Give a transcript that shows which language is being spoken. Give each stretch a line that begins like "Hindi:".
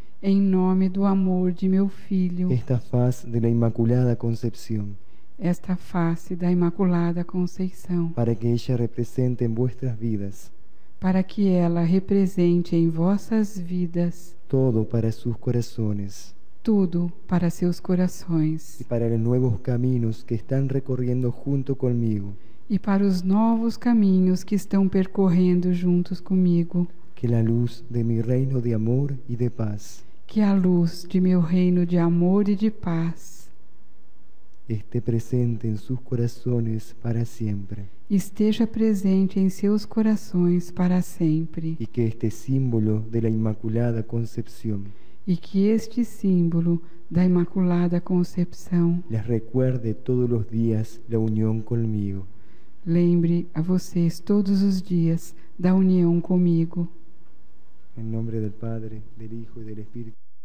Portuguese: Em nome do amor de meu filho.
Spanish: Esta faz de la Inmaculada Concepción.
Portuguese: Esta face da Imaculada Conceição.
Spanish: Para que ella represente en vuestras vidas.
Portuguese: Para que ela represente em vossas vidas.
Spanish: Todo para sus corazones.
Portuguese: Tudo para seus corações.
Spanish: Y para los nuevos caminos que están recorriendo junto conmigo.
Portuguese: E para os novos caminhos que estão percorrendo juntos comigo.
Spanish: Que la luz de mi reino de amor y de paz.
Portuguese: Que a luz de meu reino de amor e de paz.
Spanish: Esté presente en sus corazones para siempre.
Portuguese: Esteja presente em seus corações para sempre.
Spanish: Y que este símbolo de la Inmaculada Concepción.
Portuguese: E que este símbolo da Imaculada Concepção
Spanish: les recuerde todos los días la unión conmigo.
Portuguese: Lembre a vocês todos os dias da união comigo. Em nome do Padre, do Filho e do Espírito.